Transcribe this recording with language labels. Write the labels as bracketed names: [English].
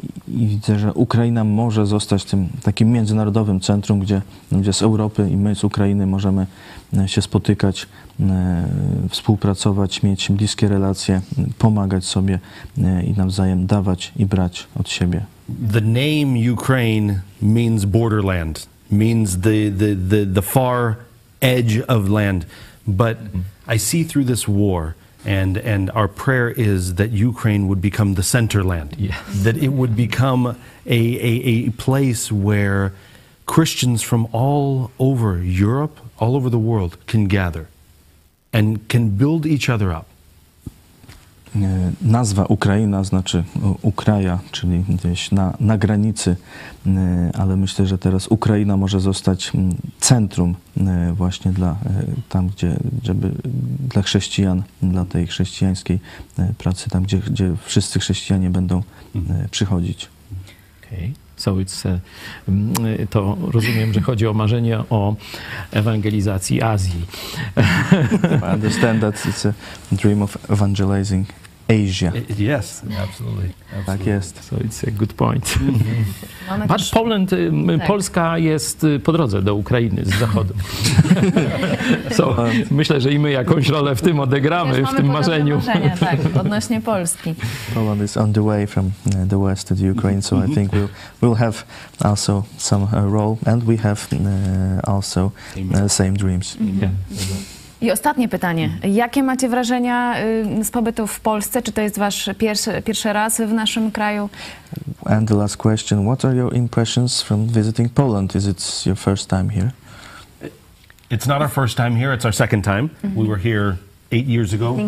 [Polish] I widzę, że Ukraina może zostać tym takim międzynarodowym centrum, gdzie z Europy i my z Ukrainy możemy się spotykać, współpracować, mieć bliskie relacje, pomagać sobie i nawzajem dawać i brać od siebie. [English] The name Ukraine means borderland, means the far edge of land. But I see through this war, and our prayer is that Ukraine would become the center land. Yes. That it would become a place where Christians from all over Europe, all over the world, can gather and can build each other up. [Polish] Nazwa Ukraina znaczy Ukraja, czyli gdzieś na granicy, ale myślę, że teraz Ukraina może zostać centrum właśnie dla tam, gdzie żeby dla chrześcijan, dla tej chrześcijańskiej pracy, tam gdzie wszyscy chrześcijanie będą przychodzić. [English] Okay. So it's, [Polish] to rozumiem, że chodzi o marzenie o ewangelizacji Azji. [English] I understand that it's a dream of evangelizing Asia. Yes, absolutely. [Polish] Tak jest. [English] So it's a good point. Mm-hmm. But Poland, [Polish] Polska jest po drodze do Ukrainy z zachodu. So myślę, że i my jakąś rolę w tym odegramy, w tym marzeniu. Marzenie, tak, odnośnie Polski. [English] Poland is on the way from the west to the Ukraine, so I think we'll have also some role and we have also same dreams. Mm-hmm. Yeah. [Polish] I ostatnie pytanie. Jakie macie wrażenia z pobytu w Polsce? Czy to jest wasz pierwszy raz w naszym kraju? [English] And the last question. What are your impressions from visiting Poland? Is it your first time here? It's not our first time here. It's our second time. Mm-hmm. We were here 8 years ago,